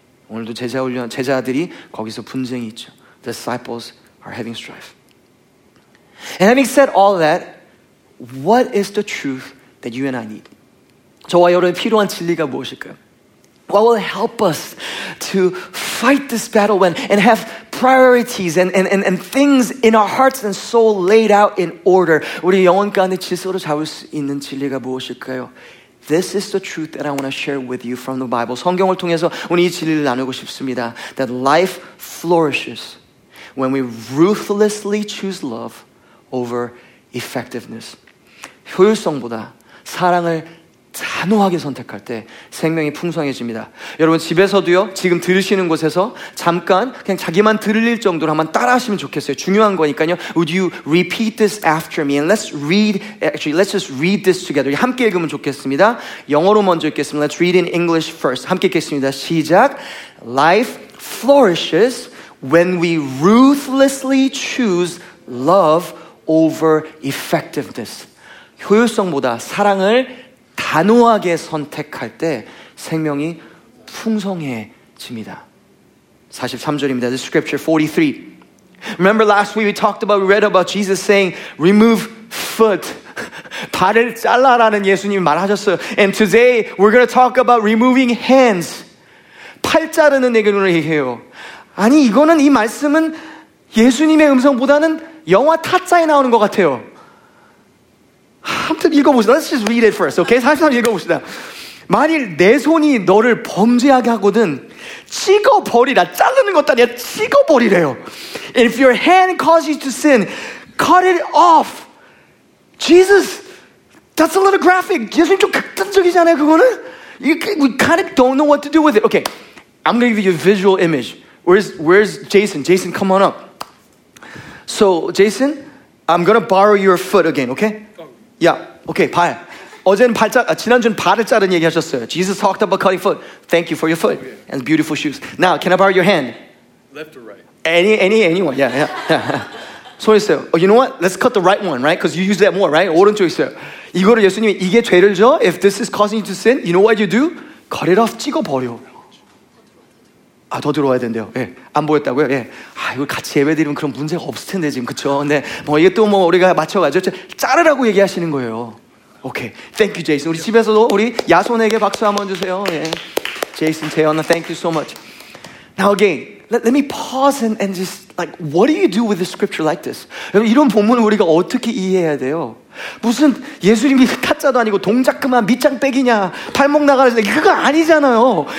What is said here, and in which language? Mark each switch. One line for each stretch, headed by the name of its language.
Korean: 오늘도 제자들이 거기서 분쟁이 있죠.
English: Disciples are having strife. And having said all that, what is the truth that you and I need?
Korean: 저와 여러분 필요한 진리가 무엇일까요?
English: What will help us to fight this battle when and have priorities and things in our hearts and soul laid out in order?
Korean: 우리 영혼 가운데 질서를 잡을 수 있는 진리가 무엇일까요?
English: This is the truth that I want to share with you from the Bible.
Korean: 성경을 통해서 오늘 이 진리를 나누고 싶습니다.
English: That life flourishes when we ruthlessly choose love over effectiveness.
Korean: 효율성보다 사랑을 단호하게 선택할 때 생명이 풍성해집니다. 여러분 집에서도요, 지금 들으시는 곳에서 잠깐 그냥 자기만 들릴 정도로 한번 따라하시면 좋겠어요. 중요한 거니까요.
English: Would you repeat this after me? And let's just read this together.
Korean: 함께 읽으면 좋겠습니다. 영어로 먼저 읽겠습니다.
English: Let's read in English first.
Korean: 함께 읽겠습니다. 시작.
English: Life flourishes when we ruthlessly choose love over effectiveness.
Korean: 효율성보다 사랑을 단호하게 선택할 때 생명이 풍성해집니다. 43절입니다.
English: The scripture 43. Remember last week we talked about, we read about Jesus saying, remove foot.
Korean: 발을 잘라라는 예수님이 말하셨어요.
English: And today we're going to talk about removing hands.
Korean: 팔 자르는 얘기를 해요. 아니 이거는 이 말씀은 예수님의 음성보다는 영화 타짜에 나오는 것 같아요. 한번 읽어봅시다.
English: Let's just read it first. Okay? 한번 읽어봅시다.
Korean: 만일 내 손이 너를 범죄하게 하거든 찍어버리라. 자르는 것도 아니야. 찍어버리래요.
English: If your hand causes you to sin, cut it off. Jesus, that's a little graphic.
Korean: 예수님 좀 극단적이잖아요, 그거는.
English: We kind of don't know what to do with it. Okay, I'm going to give you a visual image. Where's Jason? Jason, come on up. So, Jason, I'm going to borrow your foot again, okay? Yeah, okay, 발.
Korean: 어제는 발자, 지난주는 발을 자른 얘기 하셨어요.
English: Jesus talked about cutting foot. Thank you for your foot and beautiful shoes. Now, can I borrow your hand? Left or right? Anyone, yeah.
Korean: 손 있어요.
English: Oh, you know what? Let's cut the right one, right? Because you use that more, right?
Korean: 오른쪽 있어요. 이거를 예수님이 이게 죄를 줘?
English: If this is causing you to sin, you know what you do? Cut it off,
Korean: 찍어버려. 아, 더 들어와야 된대요. 예. 안 보였다고요? 예. 아, 이걸 같이 예배드리면 그런 문제가 없을 텐데, 지금. 그쵸? 근데 뭐 이게 또 뭐 우리가 맞춰가지고 자르라고 얘기하시는 거예요. 오케이.
English: Okay. Thank you, Jason.
Korean: 우리 집에서도 우리 야손에게 박수 한번 주세요. 예.
English: Jason, 재현아, thank you so much. Now again, let me pause and just like, what do you do with a scripture like this?
Korean: 이런 본문을 우리가 어떻게 이해해야 돼요? 무슨 예수님이 타짜도 아니고 동작 그만 밑장 빼기냐 발목 나가라 그거 아니잖아요.